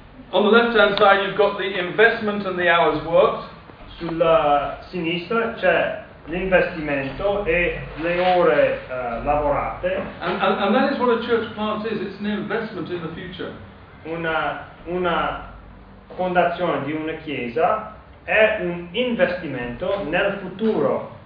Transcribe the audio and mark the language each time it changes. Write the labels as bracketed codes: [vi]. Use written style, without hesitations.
[en] On the left hand side you've got the investment and the hours worked. [it] Sulla sinistra c'è l'investimento e le ore lavorate. [en] And that is what a church plant is, it's an investment in the future. [it] Una fondazione di una chiesa è un investimento nel futuro.